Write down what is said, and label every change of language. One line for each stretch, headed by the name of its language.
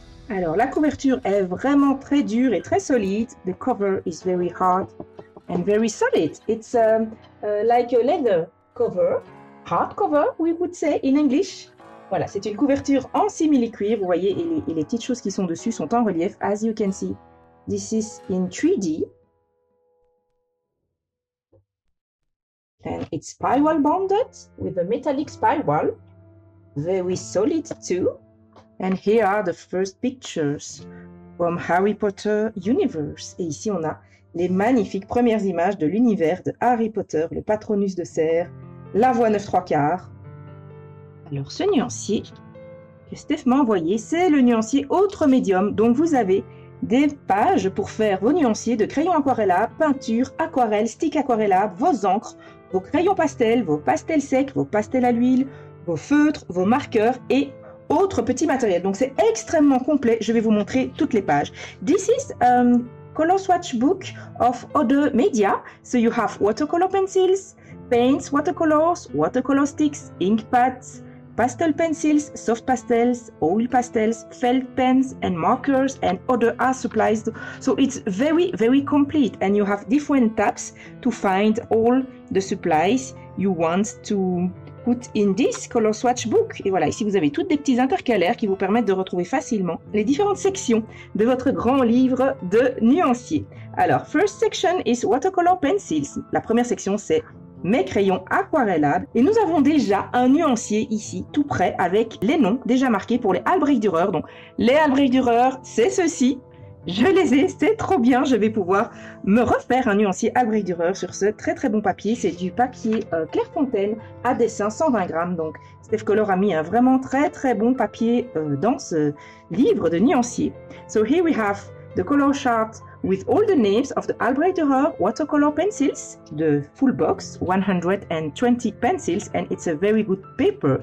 French: Alors, la couverture est vraiment très dure et très solide.
English: The cover is very hard and very solid. It's like a leather cover, hard cover, we would say in English.
French: Voilà, c'est une couverture en simili-cuir, vous voyez, et les petites choses qui sont dessus sont en relief,
English: as you can see. This is in 3D, and it's spiral bonded with a metallic spiral, very solid too. And here are the first pictures from Harry Potter universe.
French: Et ici on a les magnifiques premières images de l'univers de Harry Potter, le Patronus de Serre, la voix 9 3/4. Alors ce nuancier que Steph m'a envoyé, c'est le nuancier autre médium, donc vous avez des pages pour faire vos nuanciers de crayons aquarellables, peinture, aquarelle, stick aquarellables, vos encres, vos crayons pastels, vos pastels secs, vos pastels à l'huile, vos feutres, vos marqueurs et autres petits matériels. Donc c'est extrêmement complet, je vais vous montrer toutes les pages.
English: This is a color swatch book of other media. So you have watercolor pencils, paints, watercolors, watercolor sticks, ink pads, pastel pencils, soft pastels, oil pastels, felt pens and markers and other art supplies. So it's very, very complete and you have different tabs to find all the supplies you want to put in this color swatch book.
French: Et voilà, ici vous avez toutes des petits intercalaires qui vous permettent de retrouver facilement les différentes sections de votre grand livre de nuancier. Alors,
English: first section is watercolor pencils.
French: La première section, c'est mes crayons aquarellables. Et nous avons déjà un nuancier ici, tout prêt, avec les noms déjà marqués pour les Albrecht Dürer. Donc, les Albrecht Dürer, c'est ceci. Je les ai, c'est trop bien. Je vais pouvoir me refaire un nuancier Albrecht Dürer sur ce très très bon papier. C'est du papier Clairefontaine à dessin 120 grammes. Donc, Steph Color a mis un vraiment très très bon papier dans ce livre de nuancier.
English: So, here we have the color chart with all the names of the Albrecht Dürer watercolor pencils, the full box, 120 pencils, and it's a very good paper.